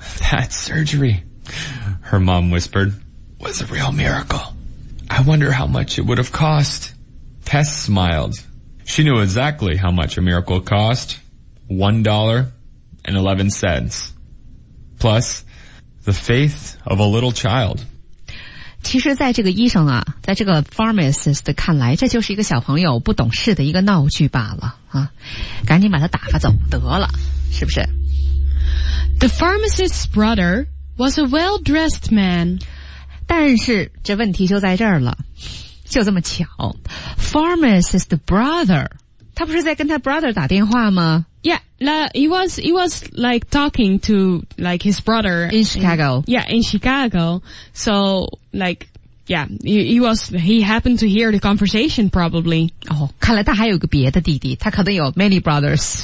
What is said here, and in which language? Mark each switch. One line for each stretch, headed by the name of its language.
English: That surgery, her mom whispered, was a real miracle. I wonder how much it would have cost. Tess smiled. She knew exactly how much a miracle cost. $1.11. Plus, the faith of a little child.
Chinese: 其实在这个医生啊，在这个 pharmacist 看来，这就是一个小朋友不懂事的一个闹剧罢了啊，赶紧把他打发走得了，是不是？
English: The pharmacist's brother was a well-dressed man.
Chinese: 但是这问题就在这儿了，就这么巧， pharmacist's brother, 他不是在跟他 brother 打电话吗？
English: He was like talking to like his brother in Chicago. So like, yeah, he happened to hear the conversation probably.
Chinese: Oh, 看来他还有个别的弟弟，他可能有
English: many brothers.